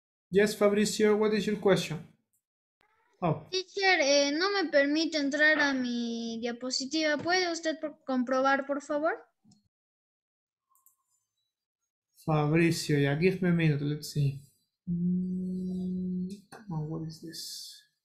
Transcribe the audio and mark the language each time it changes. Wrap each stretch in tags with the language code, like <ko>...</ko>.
<en>Yes, Fabricio, what is your question? Oh.</en> <es>Teacher, no me permite entrar a mi diapositiva. ¿Puede usted comprobar, por favor?</es> <en>Fabricio, yeah, give me a minute, let's see. Come on, what is this?</en>